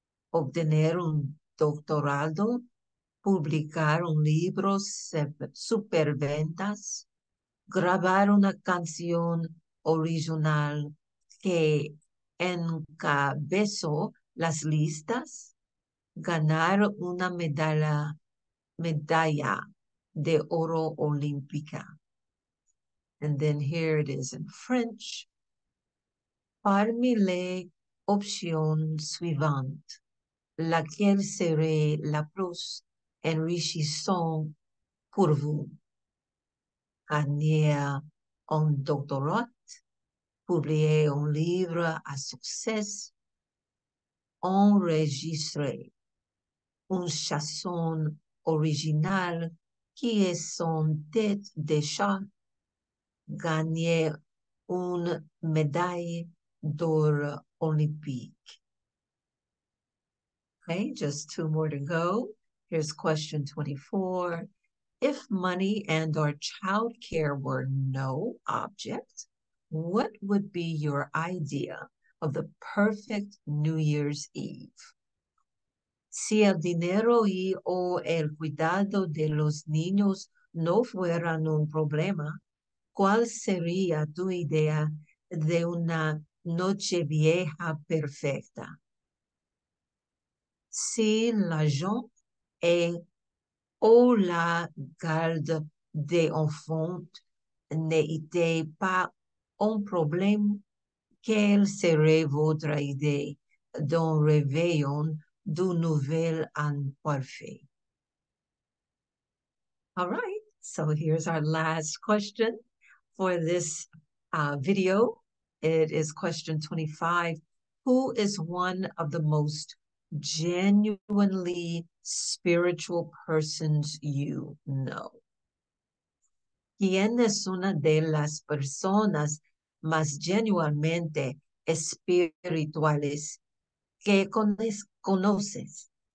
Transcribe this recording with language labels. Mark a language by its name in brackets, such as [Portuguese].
[Spanish] ¿Obtener un doctorado, publicar un libro, superventas, grabar una canción original que encabezó las listas, ganar una medalla de oro olímpica? [English] And then here it is in French. [French] Parmi les options suivantes, laquelle serait la plus enrichissante pour vous? Gagner un doctorat, publier un livre à succès, enregistrer une chanson originale qui est son tête de chat, gagner une médaille d'or olympique. [English] Okay, just two more to go. Here's question 24. If money and or child care were no object, what would be your idea of the perfect New Year's Eve? [Spanish] Si el dinero y o el cuidado de los niños no fueran un problema, ¿cuál sería tu idea de una noche vieja perfecta? [French] Si l'argent et o la garde des enfants n'étaient pas un problème, quelle serait votre idée d'un réveillon du nouvel an parfait? [English] All right, so here's our last question for this video. It is question 25. Who is one of the most genuinely spiritual persons you know? [Spanish] ¿Quién es una de las personas más genuinamente espirituales que conoces?